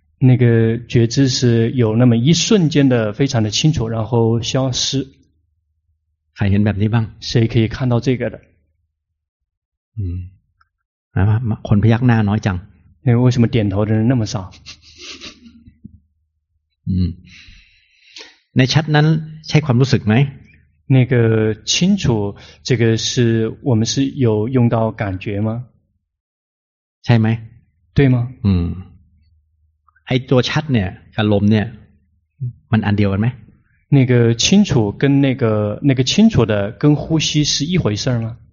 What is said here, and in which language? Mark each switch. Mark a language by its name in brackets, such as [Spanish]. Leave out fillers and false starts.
[Chinese] 那个觉知是有那么一瞬间的非常的清楚然后消失 [Thai] ใครเห็นแบบนี้บ้าง [Chinese] 谁可以看到这个的 [Thai] นะครับคนพยักหน้าน้อยจัง [Chinese] 为什么点头的人那么少 [Thai] ในชัดนั้นใช่ความรู้สึกไหม [Chinese] 那个清楚这个是我们是有用到感觉吗 [Thai] ใช่ไหม [Chinese] 对吗 [Thai] ไอ้ตัวชัดเนี่ยกับลมเนี่ยมันอันเดียวกันไหม [Chinese] 那个清楚跟那个清楚的跟呼吸是一回事吗